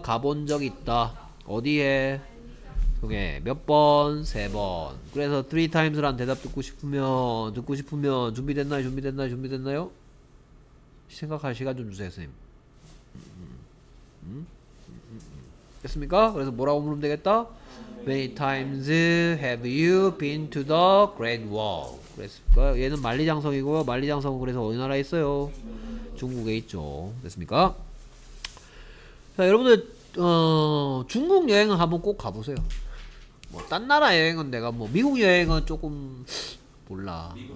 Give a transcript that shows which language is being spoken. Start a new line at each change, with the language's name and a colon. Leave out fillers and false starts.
Korean: 가본 적 있다. 어디에? 오케이. 몇 번? 세 번. 그래서
English: three times
Korean: 라는 대답 듣고 싶으면 준비됐나요? 생각할 시간 좀 주세요 선생님. 됐습니까? 그래서 뭐라고 물으면 되겠다?
English: Many times have you been to the Great Wall?
Korean: 그랬을까? 얘는 만리장성이고요. 만리장성은 그래서 어느 나라에 있어요? 중국에 있죠. 됐습니까? 자, 여러분들 중국 여행은 한번 꼭 가보세요. 뭐 딴 나라 여행은 내가 뭐 미국 여행은 조금 몰라.